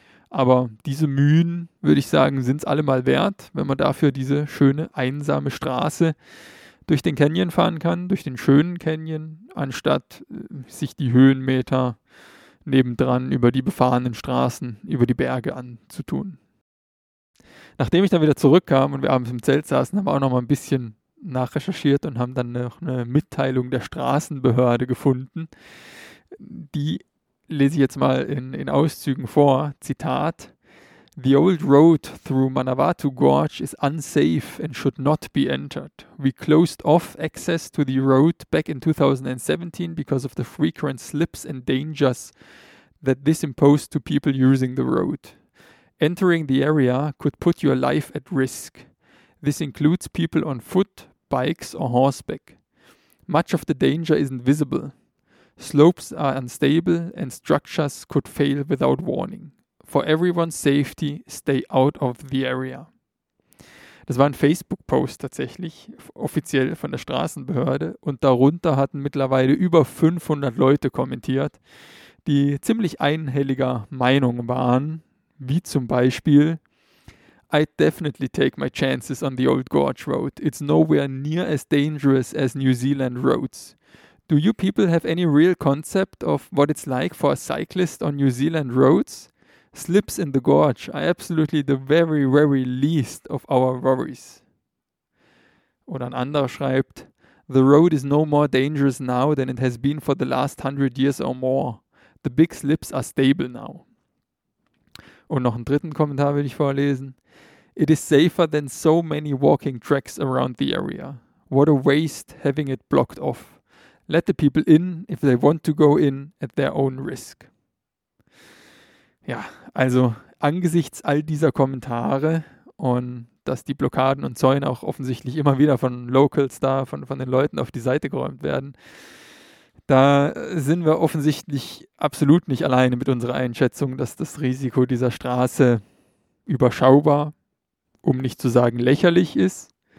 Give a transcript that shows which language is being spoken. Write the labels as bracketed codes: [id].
[de] Aber diese Mühen, würde ich sagen, sind es allemal wert, wenn man dafür diese schöne, einsame Straße durch den Canyon fahren kann, durch den schönen Canyon, anstatt sich die Höhenmeter nebendran über die befahrenen Straßen, über die Berge anzutun. Nachdem ich dann wieder zurückkam und wir abends im Zelt saßen, haben wir auch noch mal ein bisschen nachrecherchiert und haben dann noch eine Mitteilung der Straßenbehörde gefunden. Die lese ich jetzt mal in Auszügen vor. [en] Zitat: The old road through Manawatu Gorge is unsafe and should not be entered. We closed off access to the road back in 2017 because of the frequent slips and dangers that this imposed to people using the road. Entering the area could put your life at risk. This includes people on foot, bikes or horseback. Much of the danger isn't visible. Slopes are unstable and structures could fail without warning. For everyone's safety, stay out of the area. [de] Das war ein Facebook-Post tatsächlich, offiziell von der Straßenbehörde. Und darunter hatten mittlerweile über 500 Leute kommentiert, die ziemlich einhelliger Meinung waren, wie zum Beispiel: [en] I'd definitely take my chances on the old gorge road. [de] It's nowhere near as dangerous as New Zealand roads. Do you people have any real concept of what it's like for a cyclist on New Zealand roads? Slips in the gorge are absolutely the very, very least of our worries. Oder ein anderer schreibt: [en] The road is no more dangerous now than it has been for the last 100 years or more. The big slips are stable now. [de] Und noch einen dritten Kommentar will ich vorlesen. [en] It is safer than so many walking tracks around the area. What a waste having it blocked off. Let the people in, if they want to go in, at their own risk. [de] Ja, also angesichts all dieser Kommentare und dass die Blockaden und Zäune auch offensichtlich immer wieder von Locals da, von den Leuten auf die Seite geräumt werden, da sind wir offensichtlich absolut nicht alleine mit unserer Einschätzung, dass das Risiko dieser Straße überschaubar, um nicht zu sagen lächerlich ist.